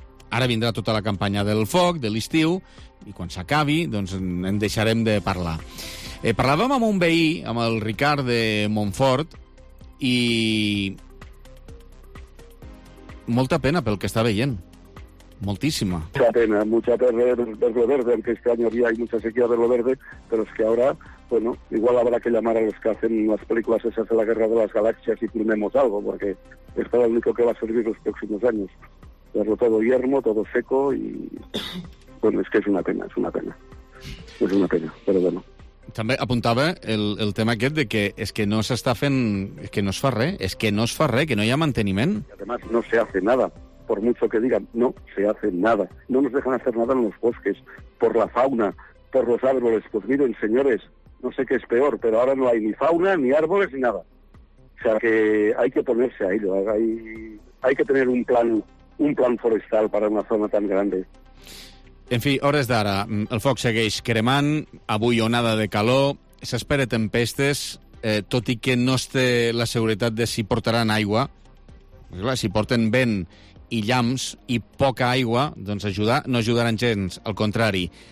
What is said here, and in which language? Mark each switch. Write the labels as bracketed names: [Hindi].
[Catalan] Ara vindrà tota la campanya del foc, de l'estiu, i quan s'acabi, doncs en deixarem de parlar. Parlàvem amb un veí, amb el Ricard de Montfort, i molta pena pel que està veient. Moltísima. [Spanish] Mucha pena verlo verde, aunque este año había mucha sequía verlo verde, pero es que ahora, bueno, igual habrá que llamar a los que hacen las películas esas de la Guerra de las Galaxias y plumemos algo, porque esto es lo único que va a servir los próximos años. Verlo todo yermo, todo seco y... Bueno, es que es una pena. Es una pena, pero bueno. [Catalan] També apuntava el tema aquest de que és que no s'està fent... És que no es fa res, que no hi ha manteniment. [Spanish] Y además no se hace nada. Por mucho que digan, no se hace nada. No nos dejan hacer nada en los bosques, por la fauna, por los árboles. Pues miren, señores, no sé qué es peor, pero ahora no hay ni fauna, ni árboles, ni nada. O sea, que hay que ponerse a ello. Hay que tener un plan forestal para una zona tan grande. [Catalan] En fi, hores d'ara, el foc segueix cremant, avui onada de calor, s'espera tempestes, tot i que no es té la seguretat de si portaran aigua. Clar, si porten vent i llamps i poca aigua, doncs ajudar no ajudaran gens, al contrari.